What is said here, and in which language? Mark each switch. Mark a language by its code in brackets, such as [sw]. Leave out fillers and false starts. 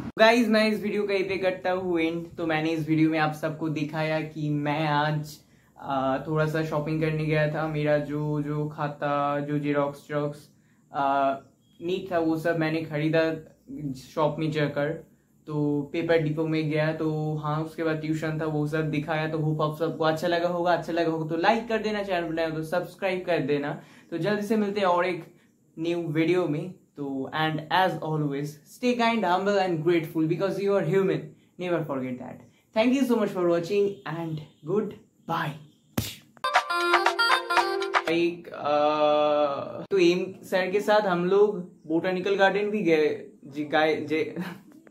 [hi] Guys, मैं इस video का एपे करता हूँ एंड। तो मैंने इस वीडियो में आप सबको दिखाया कि मैं आज थोड़ा सा शॉपिंग करने गया था, मेरा जो खाता, जो जेरोक्स चेरोक्स नीट था, वो सब मैंने खरीदा शॉप में जाकर। तो पेपर डिपो में गया, तो हाँ, उसके बाद ट्यूशन था, वो सब दिखाया। तो होप आप सबको अच्छा लगा होगा, अच्छा लगा होगा तो लाइक कर देना, चैनल बनाया तो सब्सक्राइब कर देना। तो जल्दी से मिलते हैं और एक न्यू वीडियो में। [en] So, and as always, stay kind, humble and grateful because you are human. Never forget that. Thank you so much for watching and goodbye. [hi] तो एम सर के साथ हम लोग बोटानिकल गार्डन भी गए, जी गए, जे